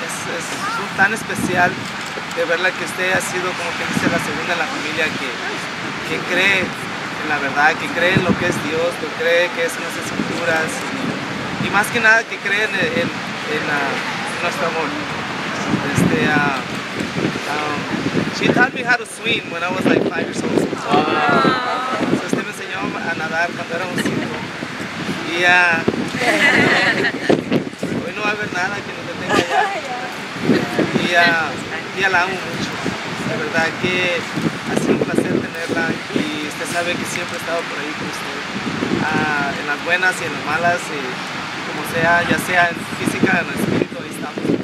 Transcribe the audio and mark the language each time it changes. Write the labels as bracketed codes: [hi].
[es] Es tan especial de verla que usted ha sido, como que dice, la segunda en la familia que cree en la verdad, que cree en lo que es Dios, que cree que es en las escrituras y más que nada que cree en nuestro amor. [en] She taught me how to swim when I was like 5 years old. Wow. So [es] usted me enseñó a nadar cuando era un 5. Y hoy no va a haber nada que no te tenga ya. Y la amo mucho, la verdad que ha sido un placer tenerla, y usted sabe que siempre he estado por ahí con usted, en las buenas y en las malas, y como sea, ya sea en física o en espíritu, ahí estamos.